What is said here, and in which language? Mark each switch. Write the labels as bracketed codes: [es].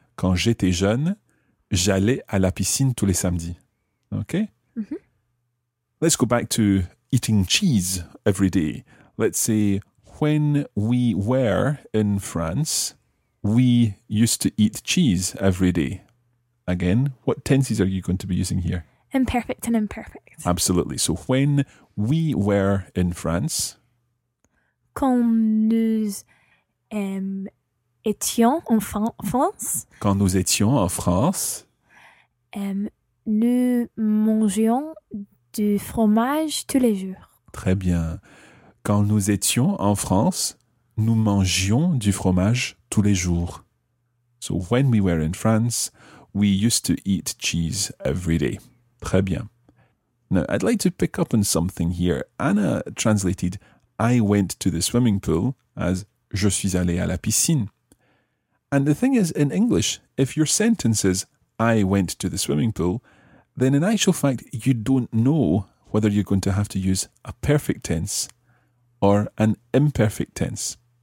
[fr] Quand j'étais jeune, j'allais à la piscine tous les samedis. [en] Okay? Mm-hmm. Let's go back to eating cheese every day. Let's say when we were in France, we used to eat cheese every day. Again, what tenses are you going to be using here? Imperfect and imperfect. Absolutely. So when we were in France. [fr] Quand nous étions en France. Quand nous étions en France. Nous mangeons du fromage tous les jours. Très bien. Quand nous étions en France, nous mangions du fromage tous les jours. [en] So when we were in France, we used to eat cheese every day. [fr] Très bien. [en] Now, I'd like to pick up on something here. Anna translated, I went to the swimming pool as [fr] je suis allé à la piscine. [en] And the thing is, in English, if your sentence is I went to the swimming pool, then in actual fact, you don't know whether you're going to have to use a perfect tense or an imperfect tense.